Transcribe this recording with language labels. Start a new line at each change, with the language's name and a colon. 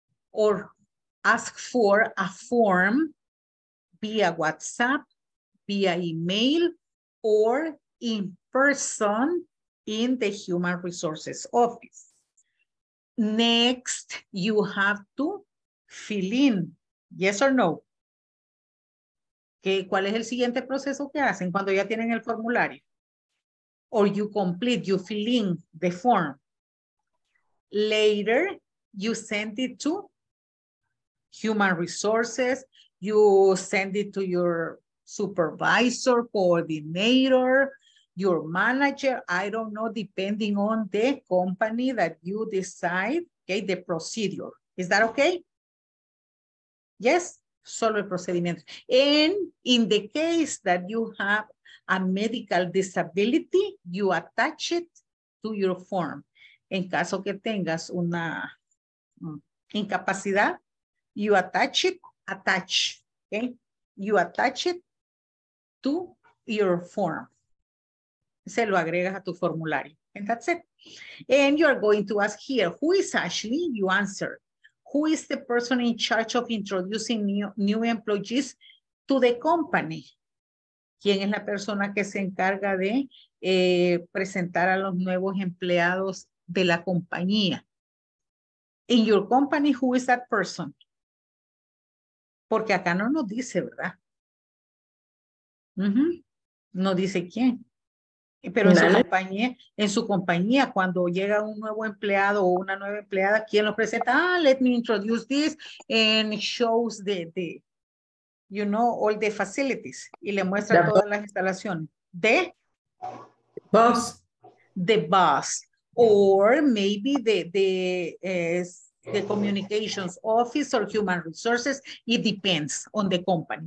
English: Or ask for a form via WhatsApp, via email, or in person in the human resources office. Next, you have to fill in, yes or no?
Spanish: Okay, ¿cuál es el siguiente proceso que hacen cuando ya tienen el formulario?
English: Or you complete, you fill in the form. Later, you send it to human resources, you send it to your supervisor, coordinator, your manager, I don't know, depending on the company that you decide, okay, the procedure. Is that okay? Yes,
Spanish: solo el procedimiento.
English: And in the case that you have a medical disability, you attach it to your form.
Spanish: En caso que tengas una incapacidad,
English: you attach it, attach, okay? You attach it to your form.
Spanish: Se lo agregas a tu formulario,
English: and that's it. And you are going to ask here, who is Ashley? You answer, who is the person in charge of introducing new employees to the company?
Spanish: ¿Quién es la persona que se encarga de presentar a los nuevos empleados de la compañía?
English: In your company, who is that person?
Spanish: Porque acá no nos dice, ¿verdad? Uh-huh. No dice quién. Pero en su compañía, cuando llega un nuevo empleado o una nueva empleada, ¿quién lo presenta?
English: Ah, let me introduce this and shows the you know, all the facilities.
Spanish: Y le muestra todas las instalaciones. ¿De?
English: Boss. The boss. Or maybe the communications office or human resources, it depends on the company.